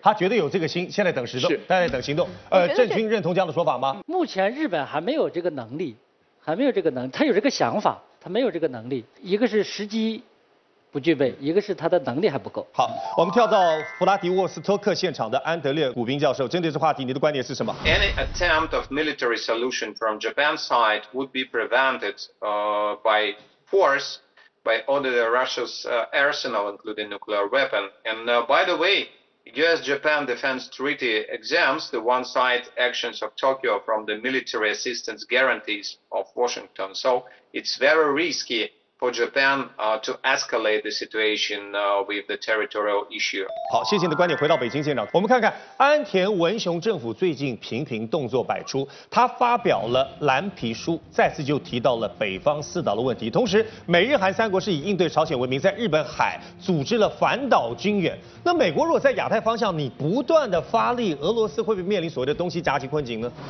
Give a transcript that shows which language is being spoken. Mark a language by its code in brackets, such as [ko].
[zh] 他绝对有这个心，现在等时动，他在等行动。郑军认同这样的说法吗？目前日本还没有这个能力，还没有这个能力，他有这个想法，他没有这个能力。一个是时机不具备，一个是他的能力还不够。好，我们跳到弗拉迪沃斯托克现场的安德烈古宾教授，针对这话题，你的观点是什么 [en] ？Any attempt of military solution from Japan's side would be prevented by force. By order of Russia's arsenal, including nuclear weapon. And by the way, U.S.-Japan Defense Treaty exempts the one-side actions of Tokyo from the military assistance guarantees of Washington. So it's very risky for Japan to escalate the situation with the territorial issue. [zh] 好，谢谢你的观点。回到北京现场，我们看看安田文雄政府最近频频动作百出。他发表了蓝皮书，再次就提到了北方四岛的问题。同时，美日韩三国是以应对朝鲜为名，在日本海组织了反岛军演。那美国如果在亚太方向你不断的发力，俄罗斯会不会面临所谓的东西夹击困境呢？